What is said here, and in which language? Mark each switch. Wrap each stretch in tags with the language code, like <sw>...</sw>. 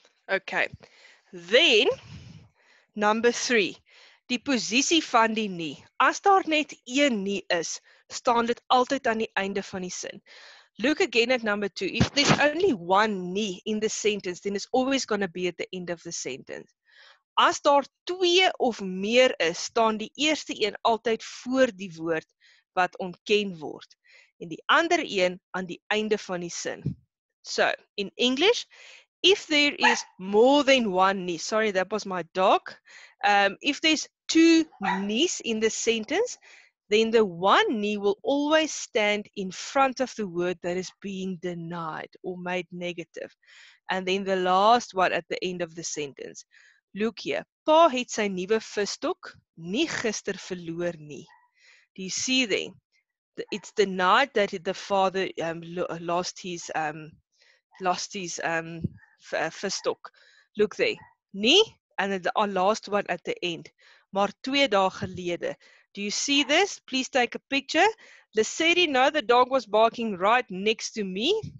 <en>Okay. Then, number three.</en> <af>Die posisie van die nie. As daar net een nie is, staan dit altyd aan die einde van die sin.</af> <en>Look again at number two. If there's only one nie in the sentence, then it's always going to be at the end of the sentence.</en> <af>As daar twee of meer is, staan die eerste een altyd voor die woord wat ontken word. En die ander een aan die einde van die sin.</af> <en>So, in English, if there is more than one nie, sorry, that was my dog. If there's two nies in the sentence, then the one nie will always stand in front of the word that is being denied or made negative. And then the last one at the end of the sentence. Look here.</en> <af>Pa het sy nuwe visstok nie gister verloor nie.</af> <en>Do you see there? It's denied that the father lost his visstok. Look there. Nie. And then our last one at the end.</en> <af>Maar twee dae gelede.</af> <en>Do you see this? Please take a picture. Lisseri, no, the dog was barking right next to me.</en>